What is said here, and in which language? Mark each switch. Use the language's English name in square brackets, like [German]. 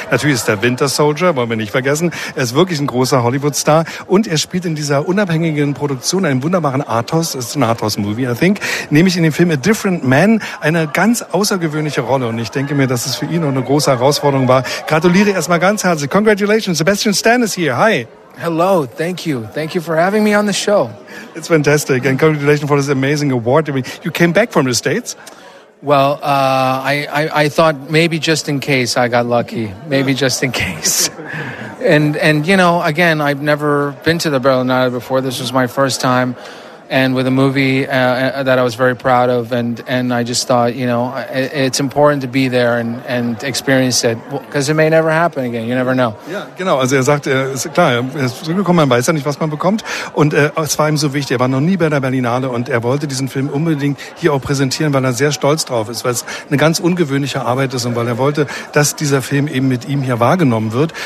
[German] Natürlich ist der Winter Soldier, wollen wir nicht vergessen. Er ist wirklich ein großer Hollywood-Star. Und er spielt in dieser unabhängigen Produktion einen wunderbaren Athos. Es ist ein Athos-Movie, [English] I think. [German] Nämlich in dem Film A Different Man eine ganz außergewöhnliche Rolle. Und ich denke mir, das ist für ihn auch eine große Herausforderung. War. Gratuliere erstmal ganz herzlich. [English] Congratulations. Sebastian Stan is here. Hi. Hello. Thank you. Thank you for having me on the show. It's fantastic. And congratulations for this amazing award. I mean, you came back from the States. Well, I thought maybe just in case I got lucky. Maybe just in case. And you know, again, I've never been to the Berlinale before. This was my first time. And with a movie that I was very proud of, and I just thought, you know, it's important to be there and experience it, because it may never happen again. You never know. [German] Ja, genau. Also er sagt, ist klar, er ist zurückgekommen, man weiß ja nicht, was man bekommt. Und es war ihm so wichtig, er war noch nie bei der Berlinale und er wollte diesen Film unbedingt hier auch präsentieren, weil er sehr stolz drauf ist, weil es eine ganz ungewöhnliche Arbeit ist und weil er wollte, dass dieser Film eben mit ihm hier wahrgenommen wird.